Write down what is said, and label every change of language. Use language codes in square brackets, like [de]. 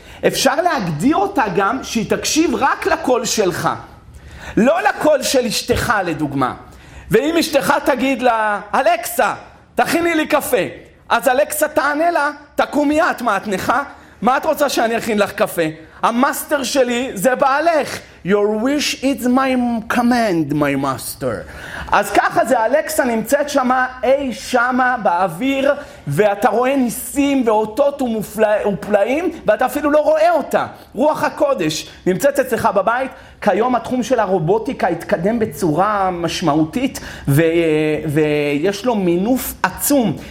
[he] אפשר להגדיר אותה גם שהיא תקשיב רק לקול שלך. לא לקול של אשתך, לדוגמה. ואם אשתך תגיד לה, אלקסה, תכיני לי קפה. אז אלקסה תענה לה, תקומי את, מה את נכה? מה את רוצה שאני אכין לך קפה? המאסטר שלי זה בעלך. [en] Your wish is my command, my master. [he] אז ככה זה, אלקסה נמצאת שמה, אי שמה באוויר, ואתה רואה ניסים ואותות ופלאים, ואתה אפילו לא רואה אותה. רוח הקודש נמצאת אצלך בבית, כיום התחום של הרובוטיקה התקדם בצורה משמעותית, ויש לו מינוף עצום.